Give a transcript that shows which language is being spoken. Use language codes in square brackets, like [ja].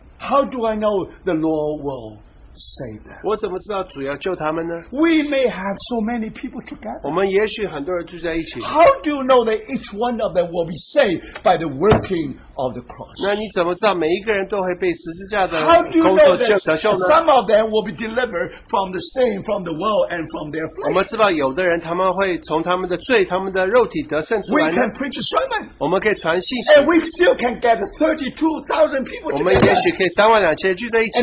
[en] How do I know the Lord will say that? [zh] 我怎么知道主要救他们呢? [en] We may have so many people together. [zh] 我们也许很多人住在一起。 [en] How do you know that each one of them will be saved by the working of the cross? [zh] 那你怎么知道每一个人都会被十字架的工作救, [en] How do you know that some of them will be delivered from the sin, from the world, and from their flesh? [zh] 我们知道有的人他们会从他们的罪, 他们的肉体得胜出来呢? [en] We can preach a sermon. [zh] 我们可以传信息, [en] and we still can get 32,000 people together. [zh] 我们也许可以32,000人聚在一起。